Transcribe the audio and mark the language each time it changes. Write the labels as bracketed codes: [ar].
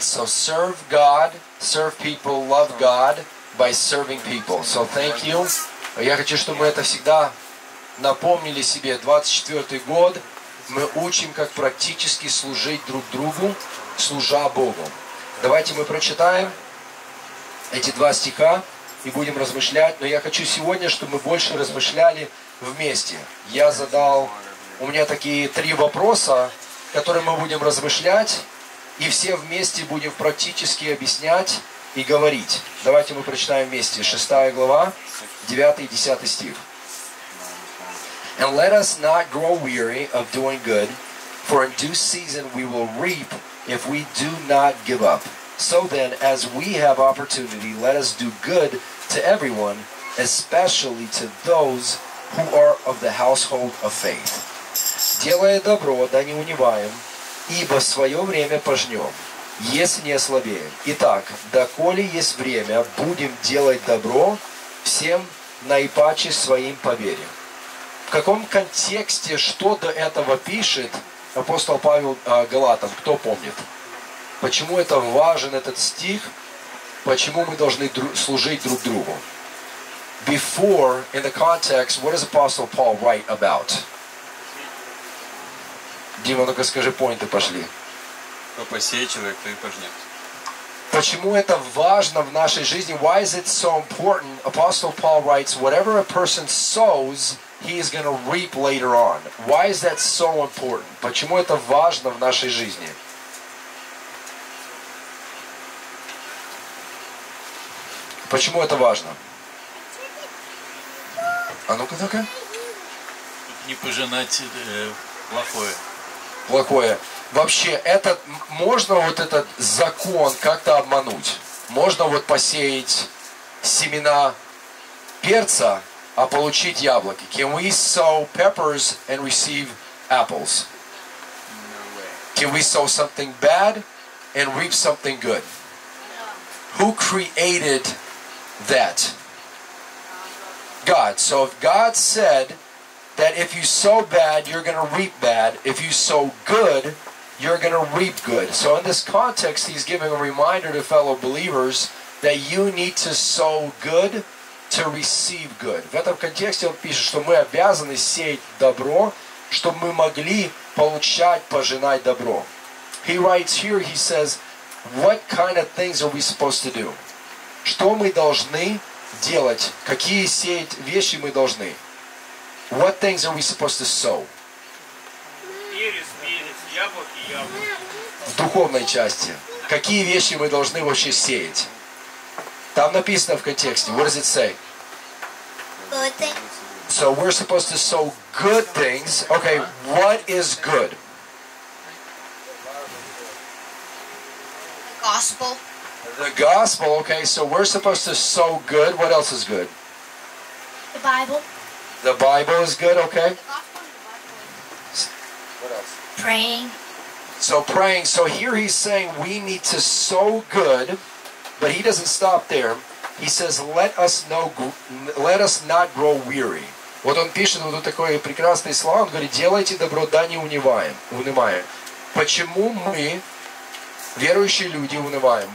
[en] So serve God, serve people, love God by serving people. So thank you. [ru] Я хочу, чтобы мы это всегда напомнили себе. 24-й год мы учим, как практически служить друг другу, служа Богу. Давайте мы прочитаем эти два стиха и будем размышлять. Но я хочу сегодня, чтобы мы больше размышляли вместе. Я задал... У меня такие три вопроса, которые мы будем размышлять, и все вместе будем практически объяснять и говорить. Давайте мы прочитаем вместе. 6 глава, 9 и 10 стих. [en] And let us not grow weary of doing good, for in due season we will reap if we do not give up. So then, as we have opportunity, let us do good to everyone, especially to those who are of the household of faith. [ru] Делая добро, да не унываем, ибо свое время пожнем, если не ослабеем. Итак, доколе есть время, будем делать добро всем наипаче своим по вере. В каком контексте, что до этого пишет апостол Павел Галатам? Кто помнит? Почему это важен, этот стих? Почему мы должны служить друг другу? [en] Before, in the context, what does apostle Paul write about? [ru] Дима, ну-ка скажи, поинты пошли. Кто посеет, человек, то и пожнет. Почему это важно в нашей жизни? [en] Why is it so important? Apostle Paul writes, whatever a person sows, he is going to reap later on. Why is that so important? [ru] Почему это важно в нашей жизни? Почему это важно? А ну-ка, ну-ка. Не пожинать плохое. Плохое. Вообще, этот, можно вот этот закон как-то обмануть? Можно вот посеять семена перца, а получить яблоки? [en] Can we sow peppers and receive apples? Can we sow something bad and reap something good? Who created that? God. So if God said... That if you sow bad, you're going to reap bad. If you sow good, you're going to reap good. So in this context, he's giving a reminder to fellow believers that you need to sow good to receive good. [ru] В этом контексте он пишет, что мы обязаны сеять добро, чтобы мы могли получать, пожинать добро. [en] He writes here, he says, what kind of things are we supposed to do? [ru] Что мы должны делать? Какие сеять вещи мы должны? [en] What things are we supposed to sow? [ru] Перец, перец, яблоки, яблоки. В духовной части. Какие вещи мы должны вообще сеять? Там написано в контексте. [en] What does it say? Good things. So we're supposed to sow good things. Okay, what is good? The gospel. The gospel, okay. So we're supposed to sow good. What else is good? The Bible. The Bible is good, okay. What else? Praying. So praying. So here he's saying we need to sow good, but he doesn't stop there. He says, let us not grow weary. [ru] Вот он пишет, вот такое прекрасное слово, он говорит, делайте добро, да не унываем. Почему мы, верующие люди, унываем?